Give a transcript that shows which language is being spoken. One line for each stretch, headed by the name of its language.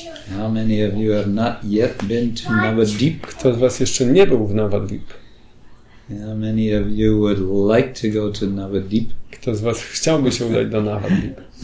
English: How many of you have not yet been to Navadvip?
Polish: Kto z was jeszcze nie był w Navadvip?
English: How many of you would like to go to Navadvip?
Polish: Kto z was chciałby się udać do Navadvip?